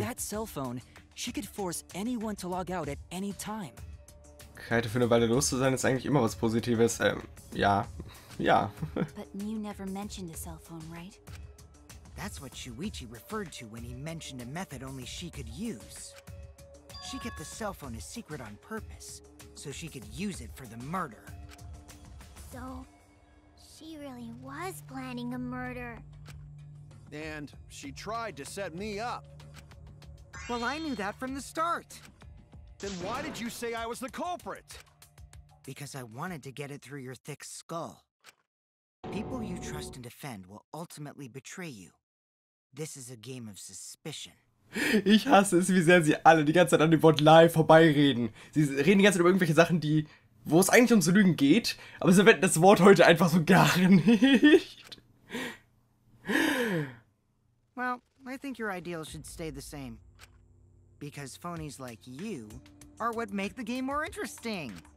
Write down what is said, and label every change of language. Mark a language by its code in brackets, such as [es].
[en] With that cell phone, she could force anyone to log out at any time. [de] Kaito für eine Weile los zu sein, ist eigentlich immer was Positives. Ja. [en] But Miu never mentioned a cell phone, right? That's what Shuichi referred to when he mentioned a method only she could use. She kept the cell phone a secret on purpose, so she could use it for the murder. So, she really was planning a murder. And she tried to set me up. Well, I knew that from the start. Then why did you say I was the culprit? Because I wanted to get it through your thick skull. People you trust and defend will ultimately betray you. This is a game of suspicion. [de] Ich hasse es, wie sehr sie alle die ganze Zeit an dem Wort Lie vorbeireden. Sie reden die ganze Zeit über irgendwelche Sachen, die, wo es eigentlich ums Lügen geht, aber sie verwenden das Wort heute einfach so gar nicht. [en] Well, I think your ideals should stay the same. Because phonies like you are what make the game more interesting.